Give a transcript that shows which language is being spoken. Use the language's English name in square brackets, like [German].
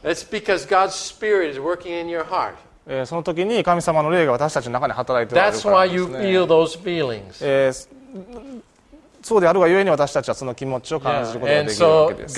[English] It's because God's Spirit is working in your heart. [Japanese] その時に神様の霊が私たちの中に働いておられるからですね。 [English] That's why you feel those feelings. [Japanese] そうであるがゆえに私たちはその気持ちを感じることができるわけです。